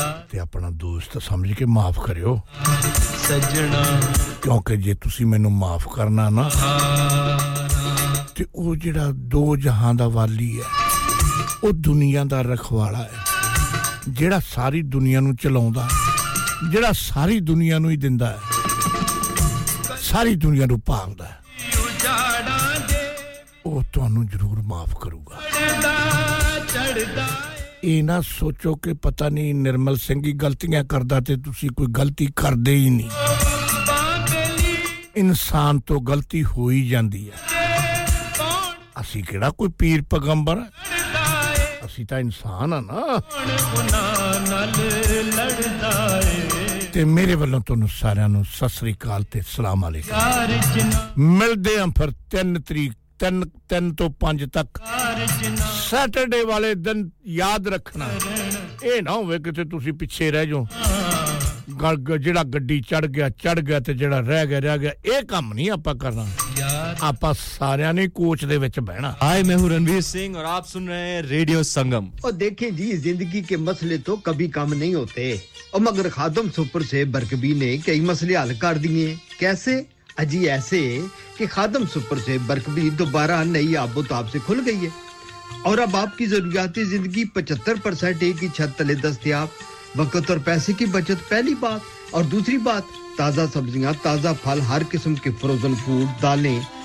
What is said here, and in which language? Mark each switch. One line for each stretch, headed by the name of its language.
Punjabi: ਤੇ ਆਪਣਾ ਦੋਸਤ ਸਮਝ ਕੇ ਮਾਫ ਕਰਿਓ ਕਿਉਂਕਿ ਜੇ ਤੁਸੀਂ ਮੈਨੂੰ ਮਾਫ ਕਰਨਾ ਨਾ ਤੇ ਉਹ ਜਿਹੜਾ ਦੋ ਜਹਾਂ ਦਾ ਵਾਲੀ ਹੈ ਉਹ ਦੁਨੀਆ ਦਾ ਰਖਵਾਲਾ ਹੈ ਜਿਹੜਾ ਸਾਰੀ ਦੁਨੀਆ ਨੂੰ ਚਲਾਉਂਦਾ ਜਿਹੜਾ ਸਾਰੀ ਦੁਨੀਆ ਨੂੰ ਹੀ ਦਿੰਦਾ ਹੈ ساری دنیا نو پال دا او تو انو جرور معاف کرو گا اے نا سوچو کہ پتہ نہیں نرمل سنگھ ہی غلطیاں کردا تے تسی کوئی غلطی کر دے ہی نہیں انسان تو غلطی ہو ہی جاندی ہے اسی کیڑا کوئی پیر پیغمبر اسی تا انسان ہاں نا تے میرے والوں تو ساریاں نوں ست سری کال تے سلام علیکم ملدے ہاں پھر 3 تاریخ تن تن تو پانچ تک سیٹرڈے والے دن یاد رکھنا اے نہ ہوے کہ تسی پیچھے رہ جاؤ گل جڑا گڈی چڑھ گیا تے جڑا رہ گیا اے کام نہیں اپا کرنا اپا سارے نے کوچ دے وچ بہنا
Urdu: ہائے میں ہوں رنویر سنگھ اور اپ سن رہے ہیں ریڈیو سنگم او دیکھیں جی زندگی کے مسئلے تو کبھی کم نہیں ہوتے او مگر خادم سپر سے برکبی نے کئی مسئلے حل کر دیے کیسے اجی ایسے کہ خادم سپر سے برکبی دوبارہ نئی آب و تاب سے کھل گئی ہے اور اب آپ کی ضروریات زندگی 75% ایک ہی چھت تلے دستیاب وقت اور پیسے کی بچت پہلی بات اور دوسری بات تازہ سبزیاں تازہ پھل ہر قسم کے فروزن فوڈ دالیں